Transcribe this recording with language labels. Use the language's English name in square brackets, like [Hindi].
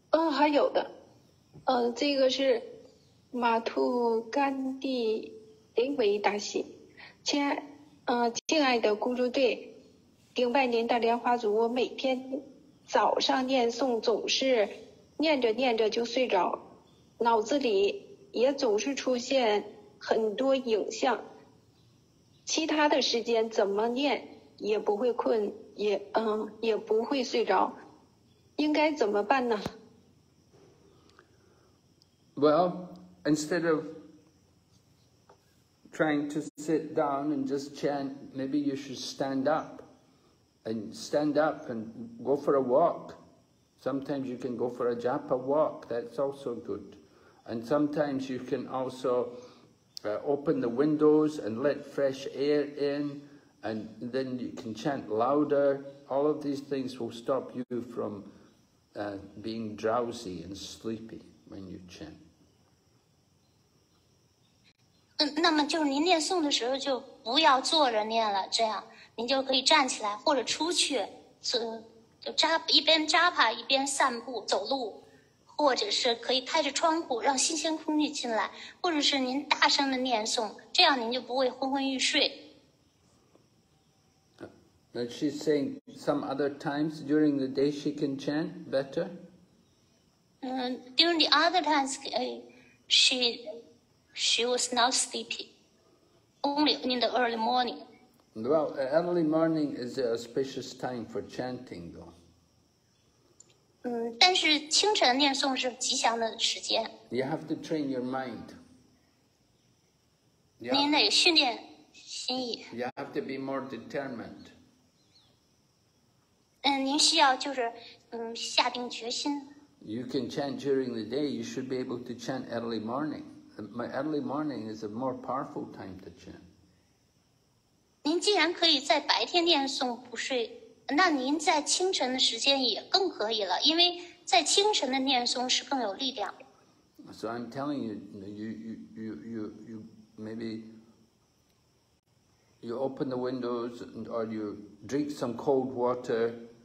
[Chinese] 还有的，这个是马兔甘地林维达西，亲爱的咕噜队，顶拜您的莲花组，我每天早上念诵总是念着念着就睡着，脑子里也总是出现很多影像，其他的时间怎么念也不会困，也不会睡着。应该怎么办呢？ [English] Well, instead of trying to sit down and just chant, maybe you should stand up and go for a walk. Sometimes you can go for a japa walk, that's also good. And sometimes you can also open the windows and let fresh air in, and then you can chant louder. All of these things will stop you from... being drowsy and sleepy when you chant. [Chinese] 那么就是您念诵的时候就不要坐着念了，这样您就可以站起来或者出去，就一边japa一边散步走路，或者是可以开着窗户让新鲜空气进来，或者是您大声的念诵，这样您就不会昏昏欲睡。 [English] And she's saying some other times during the day she can chant better? During the other times, she was not sleepy. Only in the early morning. Well, early morning is an auspicious time for chanting, though. [Chinese] 但是清晨念诵是吉祥的时间。 [English] You have to train your mind. Yeah. [Chinese] 您得训练心意。 [English] You have to be more determined. [Chinese] 您需要就是下定决心。 [English] You can chant during the day. You should be able to chant early morning. My early morning is a more powerful time to chant. [Chinese] 您既然可以在白天念诵不睡，那您在清晨的时间也更可以了，因为在清晨的念诵是更有力量。 [English] So I'm telling you, you maybe you open the windows and or you drink some cold water.